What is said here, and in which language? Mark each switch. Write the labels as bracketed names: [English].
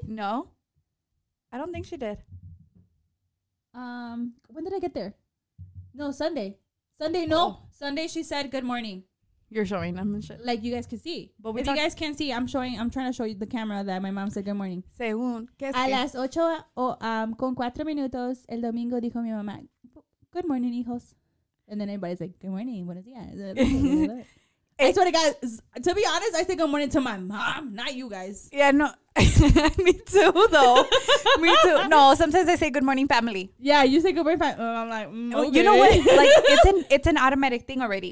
[English] No. I don't think she did. When did I get there? No, Sunday. Sunday, no. Oh. Sunday she said good morning. You're showing them. Like you guys can see. But if you guys can't see, I'm trying to show you the camera that my mom said good morning. [Spanish] Según. A las ocho con cuatro minutos, el domingo dijo mi mamá, [English] good morning, [Spanish] hijos. [English] And then everybody's like, good morning, [Spanish] buenos días. [English] I swear to God, to be honest, I say good morning to my mom, not you guys. Yeah, no. Me too, though. Me too. No, sometimes I say good morning, family. Yeah, you say good morning, family. I'm like, okay. You know what? Like, it's an automatic thing already.